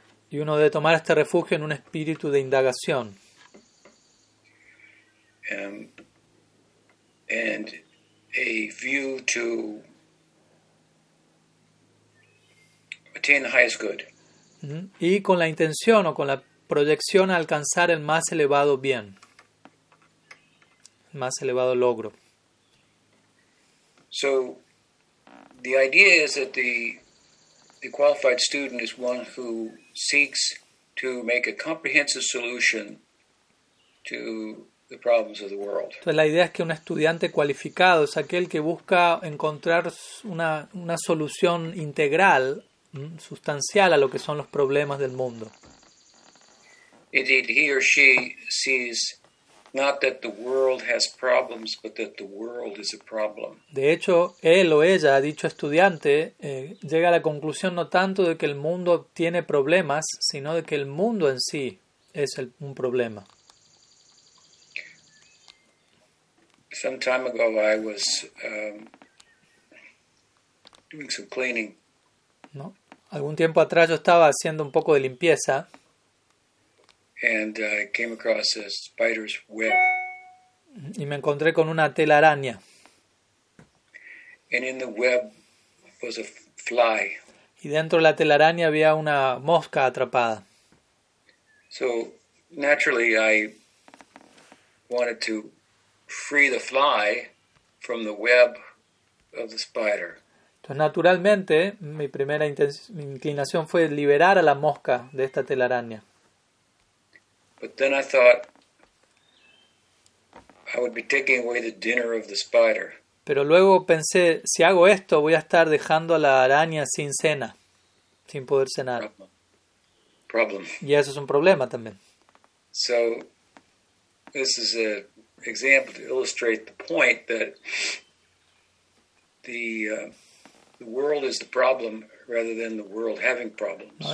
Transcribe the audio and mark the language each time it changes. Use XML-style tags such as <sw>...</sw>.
<es>Y uno debe tomar este refugio en un espíritu de indagación.</es> <en>And a view to attain the highest good.</en> <es>Y con la intención o con la proyección a alcanzar el más elevado bien, el más elevado logro.</es> <en>So, the idea is that the qualified student is one who seeks to make a comprehensive solution to the problems of the world.</en> <es>Entonces la idea es que un estudiante cualificado es aquel que busca encontrar una solución integral, sustancial a lo que son los problemas del mundo.</es> <en>Indeed, he or she sees not that the world has problems, but that the world is a problem.</en> <es>De hecho, él o ella, dicho estudiante, llega a la conclusión no tanto de que el mundo tiene problemas, sino de que el mundo en sí es un problema.</es> <en>Some time ago, I was doing some cleaning.</en> <es>No. Algún tiempo atrás yo estaba haciendo un poco de limpieza.</es> <en>And I came across a spider's web.</en> <es>Y me encontré con una tela araña.</es> <en>And in the web was a fly.</en> <es>Y dentro de la tela araña había una mosca atrapada.</es> <en>So naturally, I wanted to free the fly from the web of the spider.</en> <es>Entonces, naturalmente, mi primera inclinación fue liberar a la mosca de esta tela araña.</es> <en>But then I thought I would be taking away the dinner of the spider.</en> <es>Pero luego pensé, si hago esto, voy a estar dejando a la araña sin cena, sin poder cenar.</es> <en>Problem.</en> <es>Y eso es un problema también.</es> <en>So this is a example to illustrate the point that the world is the problem rather than the world having problems.</en>